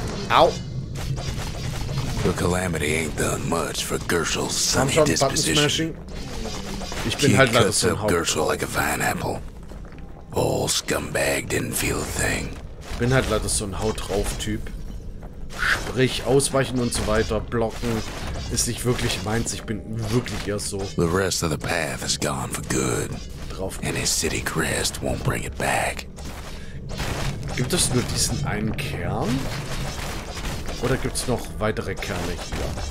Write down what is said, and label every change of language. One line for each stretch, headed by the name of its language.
English: Ow. The calamity ain't done much for Gershel's sunny disposition.
German: Ich bin
English: he
German: halt
English: cuts up Gershel like a fine apple. Old scumbag didn't feel a thing.
German: Bin halt leider so ein Haut drauf Typ. Sprich, ausweichen und so weiter, blocken, ist nicht wirklich meins, ich bin wirklich eher so.
English: The rest of the path is gone for good.
German: Drauf.
English: And his city crest won't bring it back.
German: Gibt es nur diesen einen Kern? Oder gibt es noch weitere Kerne hier?